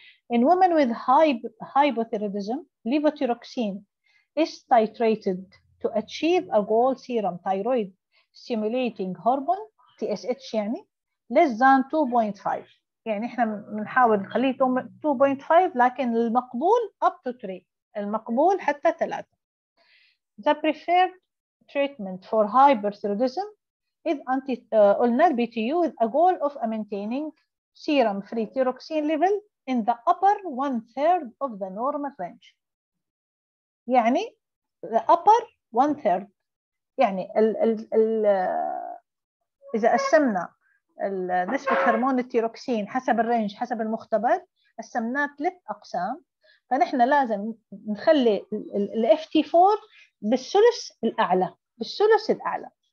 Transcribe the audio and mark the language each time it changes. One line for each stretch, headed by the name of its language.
English: In women with hypothyroidism, levothyroxine is titrated to achieve a goal serum thyroid stimulating hormone TSH
Arabic: يعني
English: less than 2.5.
Arabic: يعني احنا بنحاول نخليه 2.5 لكن المقبول
English: up to 3،
Arabic: المقبول حتى 3.
English: The preferred treatment for hyperthyroidism is NLRP2 with a goal of maintaining serum free thyroxine level in the upper one-third of the normal range.
Arabic: يعني
English: the upper one-third،
Arabic: يعني الـ إذا قسمنا نسبة هرمون التيروكسين حسب الرينج حسب المختبر قسمناه ثلاث أقسام، فنحن لازم نخلي الـ FT4 بالثلث الأعلى، بالثلث الأعلى.